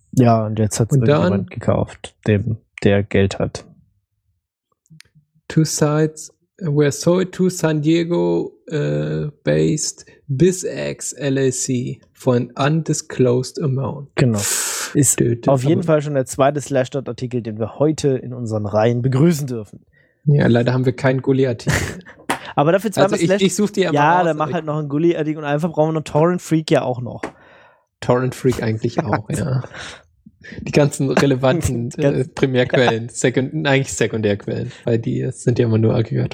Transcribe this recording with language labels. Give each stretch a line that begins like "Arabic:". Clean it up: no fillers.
German: Ja, und jetzt hat es irgendjemand gekauft, der Geld hat.
English: Two Sides were sold to San Diego based BizX LLC for an undisclosed amount.
German: Genau. Ist auf jeden Fall schon der zweite Slashdot-Artikel, den wir heute in unseren Reihen begrüßen dürfen. Ja, leider haben wir keinen Gulli-Artikel. Aber dafür zweimal also Slash. Ich such dir ja mal raus, dann mach halt noch einen Gulli-Artikel und einfach brauchen wir noch Torrent Freak ja auch noch. Torrent Freak eigentlich auch, ja. Die ganzen relevanten Primärquellen, Sekundärquellen, weil die sind ja immer nur aggregiert.